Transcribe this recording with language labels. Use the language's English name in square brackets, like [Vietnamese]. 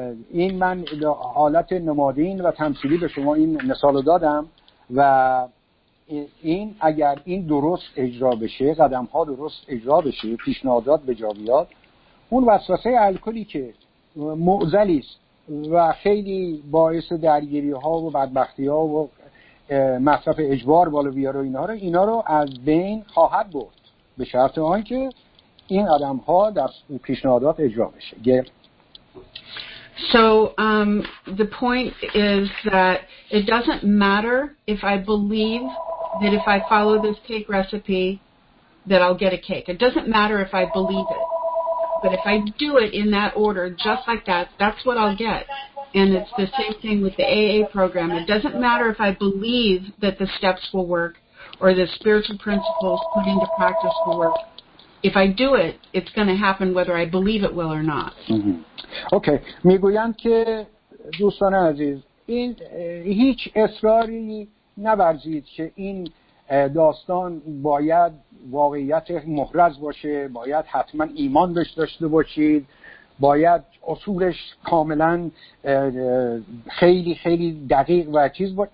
[Persian] این من حالت نمادین و تمثیلی به شما این مثال رو دادم و این اگر این درست اجرا بشه، قدم‌ها درست اجرا بشه، پیشنهادات به جا بیاد، اون وسوسه الکلی که معضلی است و خیلی باعث درگیری‌ها و بدبختی‌ها و مصرف اجبار بالا بیاره و اینا رو از بین خواهد برد به شرط آنکه این آدم‌ها در پیشنهادات اجرا بشه. [English] So the point is that it doesn't matter if I believe that if I follow this cake recipe that I'll get a cake. It doesn't matter if I believe it. But if I do it in that order just like that, that's what I'll get. And it's the same thing with the AA program. It doesn't matter if I believe that the steps will work or the spiritual principles put into practice will work. If I do it, it's going to happen whether I believe it will or not. Okay. [Persian] میگویند که دوستان عزیز، این هیچ اصراری نبرزید که این داستان باید واقعیت محرز باشه، باید حتما ایمان بهش داشته باشید، باید اصولش کاملا خیلی خیلی دقیق و چیز باشه.